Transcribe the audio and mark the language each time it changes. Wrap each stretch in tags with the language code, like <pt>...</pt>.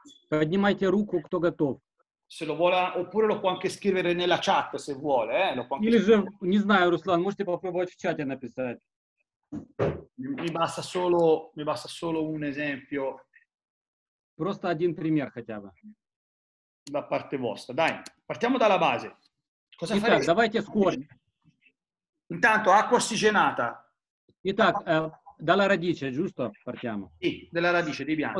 <ru>Поднимайте руку, кто готов.</ru> <it>Se lo vuole, oppure lo può anche scrivere nella chat se vuole.</it> <ru>Не знаю, Руслан, можете попробовать в чате написать.</ru> <it>Mi basta solo un esempio.</it> <ru>Просто один пример хотя бы.</ru> <it>Da parte vostra. Dai, partiamo dalla base. Cosa fare?</it> <ru>Давайте с корня.</ru> <it>Intanto acqua ossigenata.</it> <ru>Итак,</ru> <it>dalla radice, giusto? Partiamo. Sì, dalla radice di bianco.</it>